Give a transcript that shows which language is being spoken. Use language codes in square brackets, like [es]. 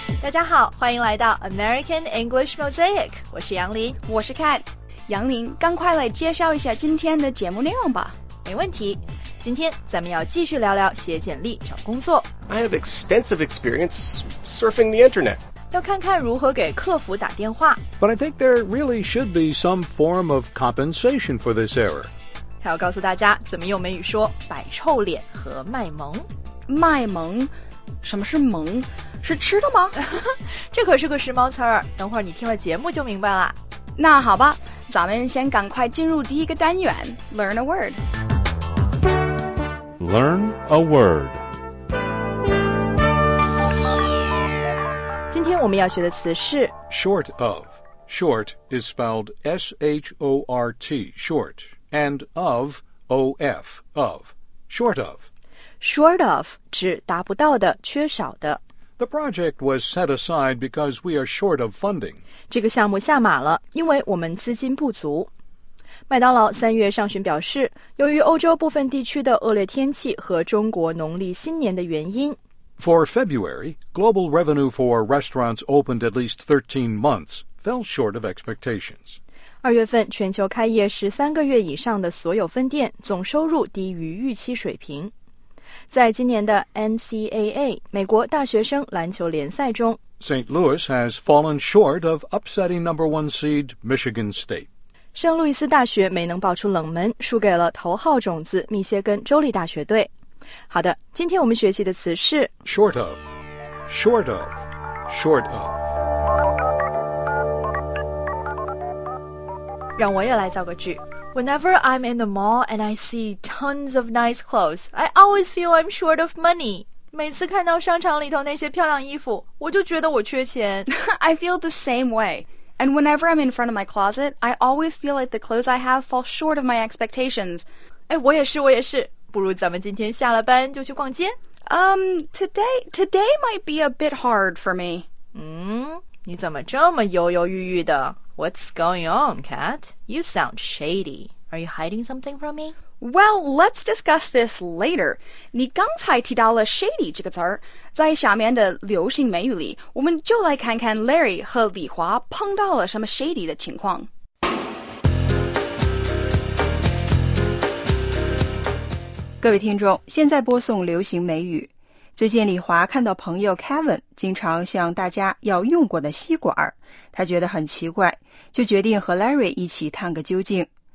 [zh] 家好，欢迎来到 American English Mosaic， 我是杨林，我是 Kat。杨林，赶快来介绍一下今天的节目内容吧。没问题，今天咱们要继续聊聊写简历找工作。 [en] I have extensive experience surfing the internet. [zh] 要看看如何给客服打电话。 [en] But I think there really should be some form of compensation for this error. [zh] 还要告诉大家怎么用美语说摆臭脸和卖萌。卖萌？什么是萌？是吃的吗？这可是个时髦词儿，等会儿你听了节目就明白了。那好吧，咱们先赶快进入第一个单元 [en] Learn a word。 Learn a word。 [zh] 今天我们要学的词是 [en] Short of。 Short is spelled S-H-O-R-T, short, and of, O-F, of, short of。 [zh] Short of 指达不到的，缺少的。 [en] The project was set aside because we are short of funding. [zh] 这个项目下马了，因为我们资金不足。麦当劳三月上旬表示，由于欧洲部分地区的恶劣天气和中国农历新年的原因。 [en] For February, global revenue for restaurants opened at least 13 months fell short of expectations. [zh] 二月份，全球开业13个月以上的所有分店总收入低于预期水平。在今年的 NCAA 美国大学生篮球联赛中， [en] St. Louis has fallen short of upsetting number one seed Michigan State. [zh] 圣路易斯大学没能爆出冷门，输给了头号种子密歇根州立大学队。好的，今天我们学习的词是 [en] short of, short of, short of。 [zh] 让我也来造个句。 [en] Whenever I'm in the mall and I see tons of nice clothes, I always feel I'm short of money. [zh] 每次看到商场里头那些漂亮衣服，我就觉得我缺钱。 [en] I feel the same way. And whenever I'm in front of my closet, I always feel like the clothes I have fall short of my expectations. [zh] 哎，我也是，我也是。不如咱们今天下了班就去逛街。 [en] Today might be a bit hard for me. [zh] 你怎么这么犹犹豫豫的？ [en] What's going on, Kat? You sound shady. Are you hiding something from me? Well, let's discuss this later. [zh] 你刚才提到了 shady 这个词儿，在下面的流行美语里，我们就来看看 Larry 和李华碰到了什么 shady 的情况。各位听众，现在播送流行美语。最近李华看到朋友 Kevin 经常向大家要用过的吸管，他觉得很奇怪，就决定和 Larry 一起探个究竟。